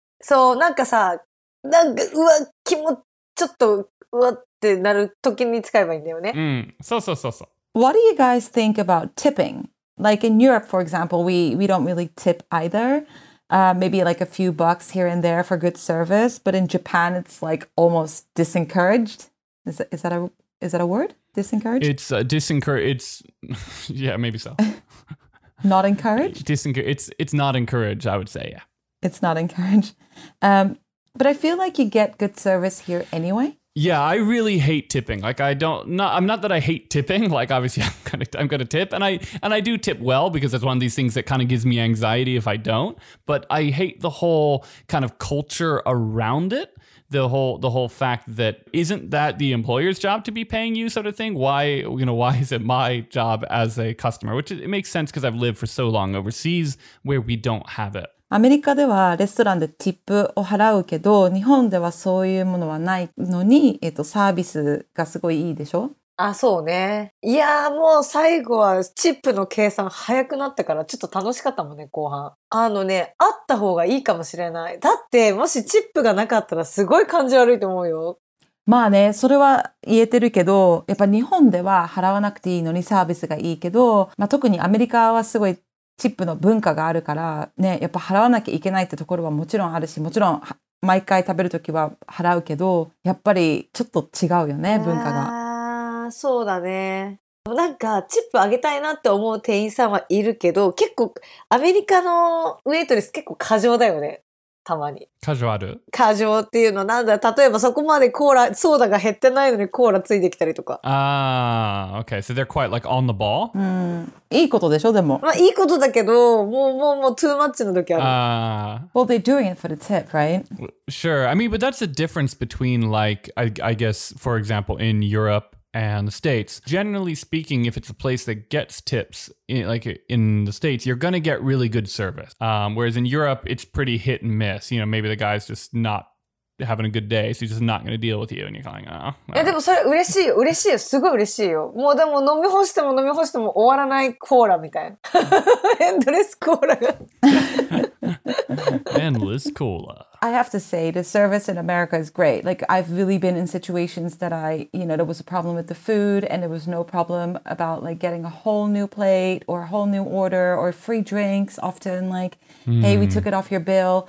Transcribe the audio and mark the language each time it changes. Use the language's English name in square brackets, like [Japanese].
[Japanese] So, なんかさ、なんか、うわ、気持ち、ちょっと、うわ、ってなる時に使えばいいんだよね。うん、そうそうそうそう。 [English] What do you guys think about tipping? Like in Europe, for example, we don't really tip either. Maybe like a few bucks here and there for good service, but in Japan, it's like almost disencouraged. Is that a word? Disencouraged? It's disencouraged. It's yeah, maybe so. Not encouraged? Disencouraged. It's not encouraged, I would say, yeah. It's not encouraged. But I feel like you get good service here anyway. Yeah, I really hate tipping. Like, I hate tipping. Like, obviously, I'm gonna tip. And I do tip well because it's one of these things that kind of gives me anxiety if I don't. But I hate the whole kind of culture around it. The whole fact that isn't that the employer's job to be paying you sort of thing? Why, you know, why is it my job as a customer? Which it makes sense because I've lived for so long overseas where we don't have it. [Japanese] アメリカではレストランでティップを払うけど、日本ではそういうものはないのに、サービスがすごいいいでしょ？あ、そうね。いやー、もう最後はチップの計算早くなったから、ちょっと楽しかったもんね、後半。あのね、あった方がいいかもしれない。だって、もしチップがなかったらすごい感じ悪いと思うよ。まあね、それは言えてるけど、やっぱ日本では払わなくていいのにサービスがいいけど、まあ、特にアメリカはすごいチップの文化があるからね、やっぱ払わなきゃいけないってところはもちろんあるし、もちろん毎回食べるときは払うけど、やっぱりちょっと違うよね、文化が。あ、そうだね。なんかチップあげたいなって思う店員さんはいるけど、結構アメリカのウェイトレス結構過剰だよね。たまに過剰ある。過剰っていうのはなんだ、例えばそこまでコーラソーダが減ってないのにコーラついてきたりとか。 [English] あー、 OK、 so they're quite like on the ball。 [Japanese] うん、いいことでしょ。でもまあいいことだけど、もう [English] too much [Japanese] の時ある。 [English] Well, they're doing it for the tip, right? Sure. I mean, but that's the difference between like, I guess, for example, in Europe and the States. Generally speaking, if it's a place that gets tips, like in the States, you're going to get really good service. Whereas in Europe, it's pretty hit and miss. You know, maybe the guy's just not having a good day, so he's just not going to deal with you, and you're going, oh. [Japanese] いやでもそれ嬉しい、嬉しいよ、すごい嬉しいよ。もうでも飲み干しても飲み干しても終わらないコーラみたいな。 [English] Endless cola. Endless cola. I have to say, the service in America is great. Like, I've really been in situations that I, you know, there was a problem with the food, and there was no problem about, like, getting a whole new plate or a whole new order or free drinks, often, like, hey, we took it off your bill.